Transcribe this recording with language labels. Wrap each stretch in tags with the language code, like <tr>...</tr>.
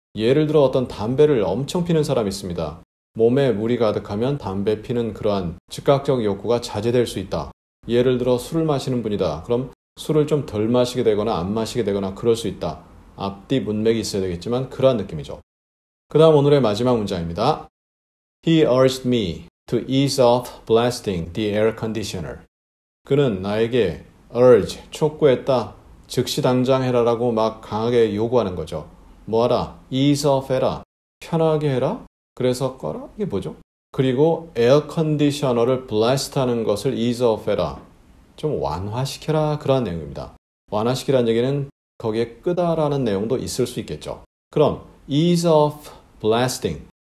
<ko>예를 들어 어떤 담배를 엄청 피는 사람이 있습니다. 몸에 물이 가득하면 담배 피는 그러한 즉각적 욕구가 자제될 수 있다. 예를 들어 술을 마시는 분이다. 그럼 술을 좀 덜 마시게 되거나 안 마시게 되거나 그럴 수 있다. 앞뒤 문맥이 있어야 되겠지만 그러한 느낌이죠. 그 다음 오늘의 마지막 문장입니다.</ko> <en>He urged me to ease off blasting the air conditioner.</en> <ko>그는 나에게 urge, 촉구했다. 즉시 당장 해라 라고 막 강하게 요구하는 거죠. 뭐하라? ease off 해라. 편하게 해라? 그래서 꺼라? 이게 뭐죠? 그리고 에어컨디셔너를 블라스트하는 것을 ease off 해라. 좀 완화시켜라. 그러한 내용입니다. 완화시키라는 얘기는 거기에 끄다라는 내용도 있을 수 있겠죠. 그럼 ease off blasting.</ko>